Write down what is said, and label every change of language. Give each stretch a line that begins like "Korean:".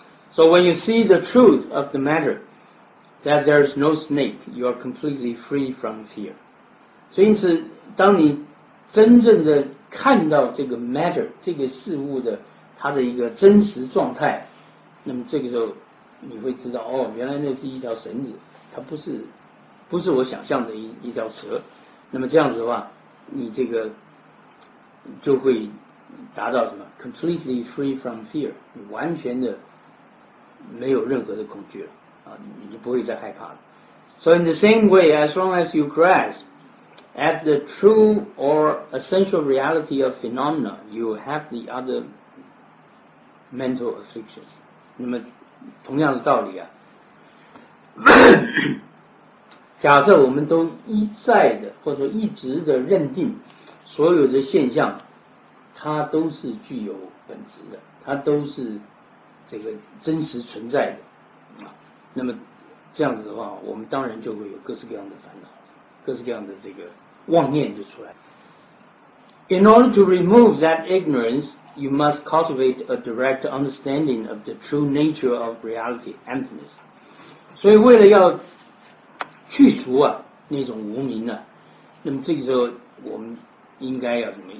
English: So when you see the truth of the matter that there is no snake, you are completely free from fear.
Chinese: 所以因此当你真正的看到这个 matter 这个事物的它的一个真实状态，那么这个时候你会知道，哦，原来那是一条绳子，它不是我想象的一条蛇，那么这样子的话你这个就会达到什么
English: completely free from fear，
Chinese: 你完全的没有任何的恐惧了啊，你就不会再害怕了。
English: So in the same way, as long as you grasp at the true or essential reality of phenomena, you have the other mental afflictions.
Chinese: 那么同样的道理啊，假设我们都一再的或者一直的认定所有的现象它都是具有本质的，它都是这个真实存在的，那么这样子的话我们当然就会有各式各样的烦恼，各式各样的这个妄念就出来。
English: In order to remove that ignorance, you must cultivate a direct understanding of the true nature of reality, emptiness.
Chinese: 所以为了要去除啊那种无明啊，那么这个时候我们应该要什么？